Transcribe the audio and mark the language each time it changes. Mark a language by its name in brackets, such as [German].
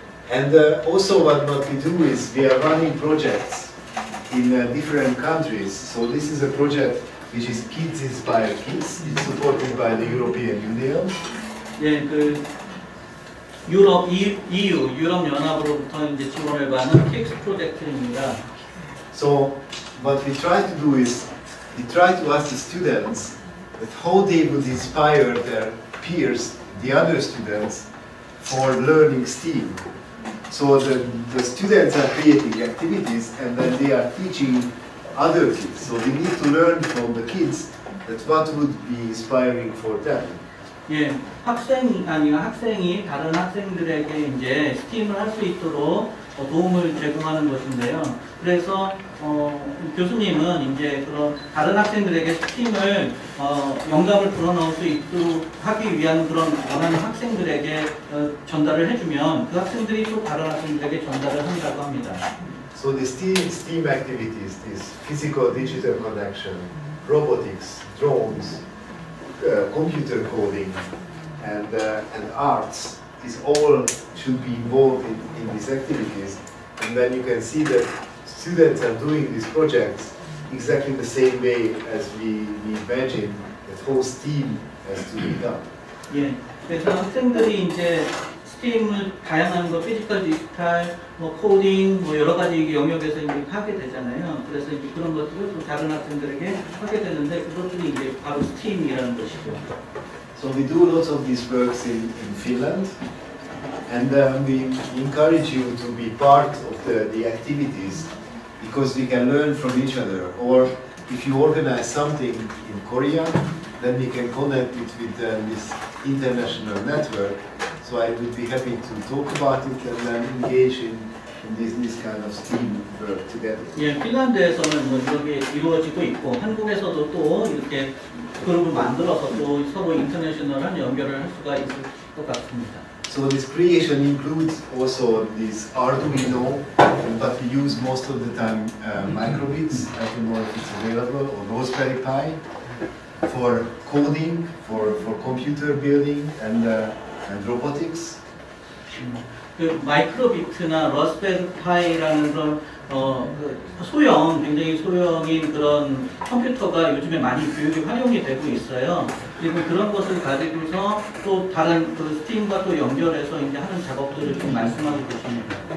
[English] And also what we do is we are running projects in different countries. So this is a project which is Kids Inspire Kids. It's supported by the European Union. [Korean] 예, 그 유럽 EU 유럽 연합으로부터 이제 지원을 받는 Kids 프로젝트입니다. [English] So what we try to do is we try to ask the students that how they would inspire their peers, the other students, for learning STEAM. So the students are creating activities and then they are teaching other kids. So we need to learn from the kids that what would be inspiring for them. [Korean] 예, 학생이 다른 학생들에게 이제 STEAM을 할 수 있도록 도움을 제공하는 것인데요. 그래서 교수님은 이제 그런 다른 학생들에게 STEAM을 영감을 불어넣을 수 있도록 하기 위한 그런 원하는 학생들에게 전달을 해주면 그 학생들이 또 다른 학생들에게 전달을 한다고 합니다. [English] So the STEAM activities, this physical digital connection, robotics, drones, computer coding, and arts is all should be involved in these activities, and then you can see that. Students are doing these projects exactly the same way as we imagine that whole STEAM has to be done. [Korean] 예, 그래서 학생들이 이제 STEAM을 다양한 거, 피지컬, 디지털, 뭐 코딩, 뭐 여러 가지 영역에서 이제 하게 되잖아요. 그래서 이제 그런 것들을 또 다른 학생들에게 하게 되는데 그것들이 이제 바로 STEAM이라는 것이죠. [English] So we do lots of these works in Finland. And we encourage you to be part of the activities because we can learn from each other. Or if you organize something in Korea, then we can connect it with this international network. So I would be happy to talk about it and then engage in this kind of STEAM work together. [Korean] 예, 핀란드에서는 뭐 이렇게 이루어지고 있고 한국에서도 또 이렇게 그룹을 만들어서 또 서로 인터내셔널한 연결을 할 수가 있을 것 같습니다. [English] So this creation includes also this Arduino, but we use most of the time microbits. I don't know if it's available or Raspberry Pi for coding, for computer building and robotics. [Korean] 그 마이크로비트나 러스베리파이라는 그런 소형, 굉장히 소형인 그런 컴퓨터가 요즘에 많이 교육에 활용이 되고 있어요. 그리고 그런 것을 가지고서 또 다른 그 스팀과 또 연결해서 이제 하는 작업들을 좀 말씀하고 계십니다.